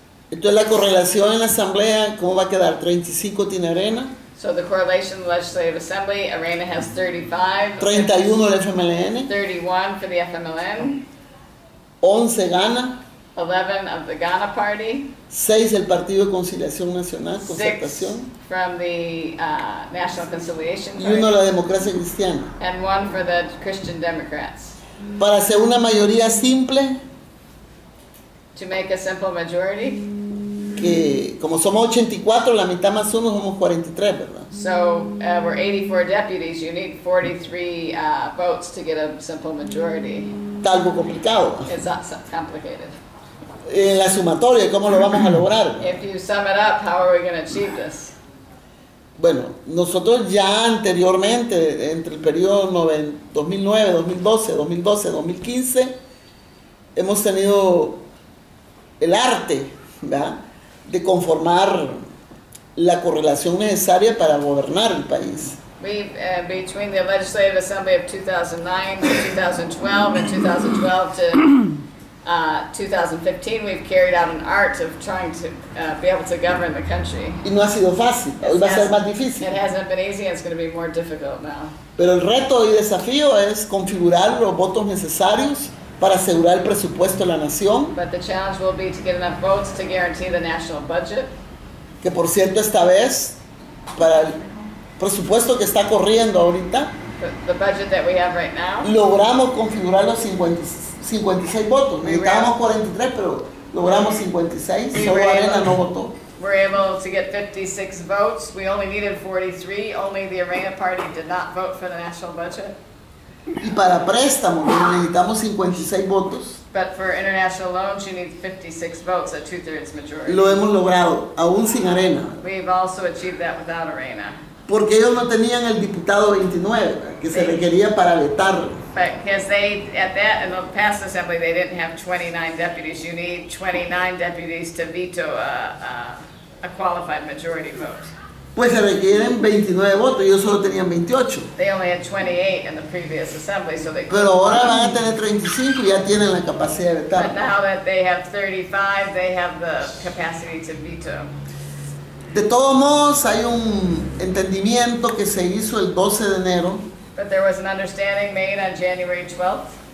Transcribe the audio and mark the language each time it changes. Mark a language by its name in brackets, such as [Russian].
[Spanish] Entonces la correlación en la asamblea, ¿cómo va a quedar? 35 tiene Arena. [English] So the correlation of the Legislative Assembly, Arena has 35. [Spanish] 31 el FMLN. [English] 31 for the FMLN. [Spanish] 11 Ghana. [English] 11 of the Ghana Party. [Spanish] 6 el Partido de Conciliación Nacional, Concertación. [English] 6 from the National Conciliation Party. [Spanish] Y uno la Democracia Cristiana. [English] And 1 for the Christian Democrats. [Spanish] Para hacer una mayoría simple. [English] To make a simple majority. [Spanish] Que como somos 84, la mitad más uno somos 43, ¿verdad? [English] So, we're 84 deputies, you need 43 votes to get a simple majority. [Spanish] Está algo complicado. [English] It's not so complicated. [Spanish] En la sumatoria, ¿cómo lo vamos a lograr? [English] If you sum it up, how are we going to achieve this? [Spanish] Bueno, nosotros ya anteriormente, entre el periodo 2009, 2012, 2015, hemos tenido el arte, ¿verdad?, de conformar la correlación necesaria para gobernar el país. [English] Between the Legislative Assembly of 2009 to 2012 and 2012 to 2015, we've carried out an art of trying to be able to govern the country. [Spanish] Y no ha sido fácil. Hoy va a ser más difícil. [English] It hasn't been easy. It's going to be more difficult now. [Spanish] Pero el reto y desafío es configurar los votos necesarios para asegurar el presupuesto de la nación. [English] But the challenge will be to get enough votes to guarantee the national budget. [Spanish] Que por cierto esta vez para el presupuesto que está corriendo ahorita, [English] the budget that we have right now, [Spanish] logramos configurar los 56 votos. Necesitábamos 43, pero logramos 56. Solo Arena no votó. [English] We're able to get 56 votes. We only needed 43. Only the Arena party did not vote for the national budget. [Spanish] Y para préstamos necesitamos 56 votos. [English] But for international loans, you need 56 votes, a two-thirds majority. [Spanish] Lo hemos logrado, aún sin Arena. [English] We've also achieved that without Arena. [Spanish] Porque ellos no tenían el diputado 29 que se requería para vetarlo. [English] Because they, at that, in the past assembly, they didn't have 29 deputies. You need 29 deputies to veto a qualified majority vote. [Spanish] Pues se requieren 29 votos, ellos solo tenían 28. [English] They only had 28 in the previous assembly, so they... [Spanish] Pero ahora van a tener 35 y ya tienen la capacidad de vetar. [English] But now that they have 35, they have the capacity to veto. [Spanish] De todos modos, hay un entendimiento que se hizo el 12 de enero. [English] But there was an understanding made on January 12th.